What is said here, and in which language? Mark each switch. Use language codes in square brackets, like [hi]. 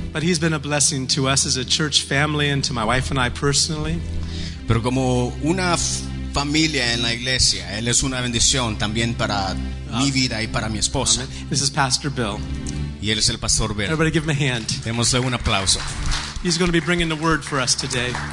[en] But he's been a blessing to us as a church family and to my wife and I personally. [es] Pero como una familia en la iglesia, él es una bendición también para mi vida y para mi esposa. [en] This is Pastor Bill. [es] Y él es el Pastor Bill. [en] Everybody give him a hand. [es] Démosle un aplauso. [en] He's going to be bringing the word for us today.